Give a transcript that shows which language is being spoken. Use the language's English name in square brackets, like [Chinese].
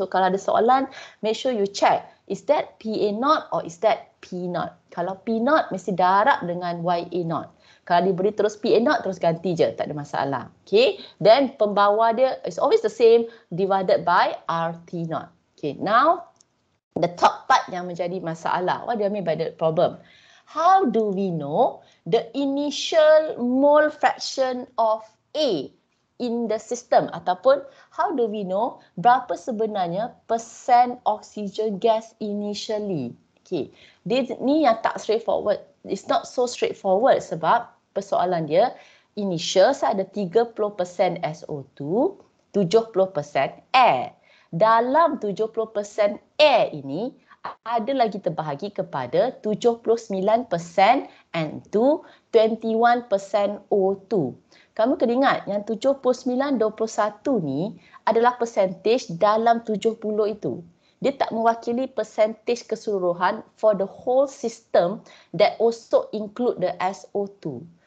[English] So [Malay] kalau ada soalan, [English] make sure you check. Is that PA0 or is that P0? [Malay] Kalau P0, mesti darab dengan YA0. Kalau dia beri terus PA0, terus ganti je. Tak ada masalah. Okay. [English] Then [Malay] pembawa dia [English] is always the same divided by RT0. Okay. Now, the top part [Malay] yang menjadi masalah. [English] What do you mean by the problem? How do we know the initial mole fraction of A in the system? [Malay] Ataupun, [English] how do we know [Malay] berapa sebenarnya [English] percent oxygen gas initially? [Malay] Okay, dia ni yang tak straightforward. [English] It's not so straightforward [Malay] sebab persoalan dia, initial saya ada 30% SO2, 70% air. Dalam 70% air ini, ada lagi terbahagi kepada 79% N2, 21% O2. Kamu kena ingat yang 79-21 ni adalah percentage dalam 70 itu. Dia tak mewakili [English] percentage keseluruhan for the whole system that also include the SO2.